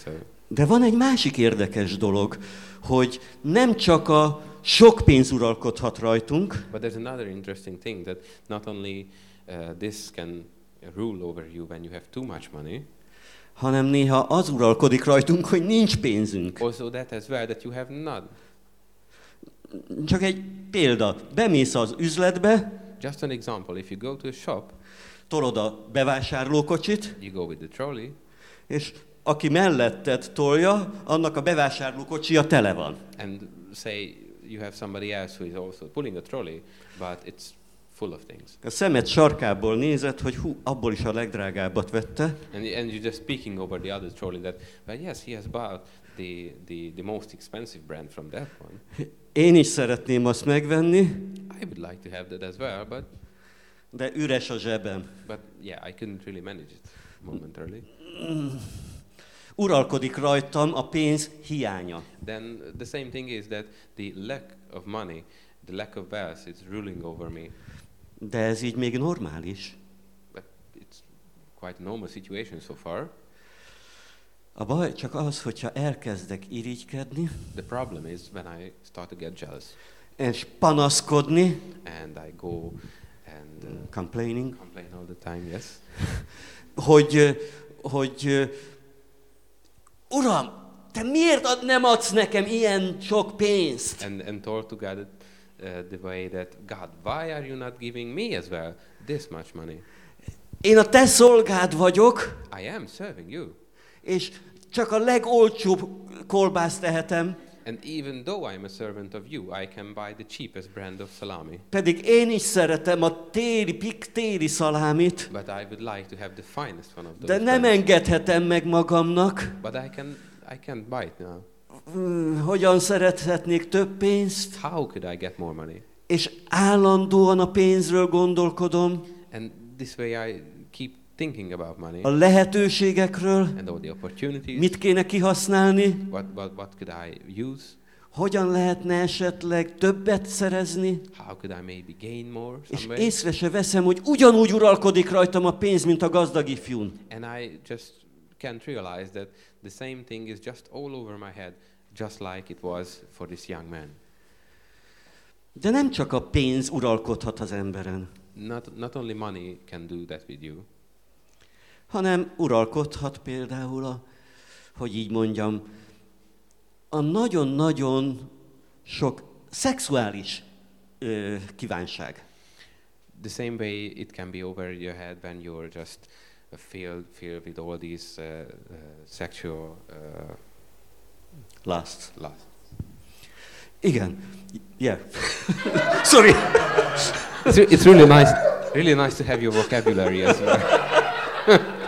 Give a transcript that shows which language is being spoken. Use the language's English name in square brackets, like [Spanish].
[English] So. [Hungarian] De van egy másik érdekes dolog, hogy nem csak a sok pénz uralkodhat rajtunk. [English] But there's another interesting thing that not only this can rule over you when you have too much money. [Hungarian] Hanem néha az uralkodik rajtunk, hogy nincs pénzünk. [English] Also that as well that you have none. [Hungarian] Csak egy példa. Bemész az üzletbe. [English] Just an example. If you go to a shop, [Hungarian] tolod a bevásárlókocsit. [English] You go with the trolley. [Hungarian] És aki melletted tolja, annak a bevásárlókocsia tele van. [English] And say you have somebody else who is also pulling a trolley, but it's full of things. [Hungarian] A szemed sarkából nézed, hogy hú, abból is a legdrágábbat vette. [English] And you're just peeking over the other trolley that, but yes, he has bought the most expensive brand from that one. [Hungarian] Én is szeretném azt megvenni. [English] I would like to have that as well, but [Hungarian] de üres a zsebem. [English] But yeah, I couldn't really manage it momentarily. [Hungarian] Uralkodik rajtam a pénz hiánya. [English] Then the same thing is that the lack of money, the lack of wealth is ruling over me. [Hungarian] De ez így még normális. [English] But it's quite a normal situation so far. [Hungarian] A baj csak az, hogyha elkezdek irigykedni. [English] The problem is when I start to get jealous. [Hungarian] És panaszkodni. [English] And I go and complaining. Complain all the time, yes. [Hungarian] Hogy Uram, te miért nem adsz nekem ilyen sok pénzt? [English] And talk to God the way that God, why are you not giving me as well this much money? [Hungarian] Én a te szolgád vagyok. [English] I am serving you. [Hungarian] És csak a legolcsóbb kolbászt ehetem. [English] And even though I am a servant of you, I can buy the cheapest brand of salami. [Hungarian] Pedig én is szeretem a téli, pik téli szalámit. [English] But I would like to have the finest one of those. [Hungarian] De nem engedhetem meg magamnak. [English] But I can't buy it now. [Hungarian] Hogyan szerethetnék több pénzt? [English] How could I get more money? [Hungarian] És állandóan a pénzről gondolkodom. [English] And this way I keep thinking about money. [Hungarian] A lehetőségekről. [English] And all the opportunities. [Hungarian] Mit kéne kihasználni? [English] What could I use? [Hungarian] Hogyan lehetne esetleg többet szerezni? [English] How could I maybe gain more somewhere? [Hungarian] És észre se veszem, hogy ugyanúgy uralkodik rajtam a pénz, mint a gazdag ifjún. [English] And I just can't realize that the same thing is just all over my head, just like it was for this young man. [Hungarian] De nem csak a pénz uralkodhat az emberen. [English] Not only money can do that with you. [Hungarian] Hanem uralkodhat például a, hogy így mondjam, a nagyon-nagyon sok szexuális kívánság. [English] The same way it can be over your head when you're just filled with all these sexual lusts. [Hungarian] Igen. [English] Yeah. Sorry. It's really nice to have your vocabulary as well.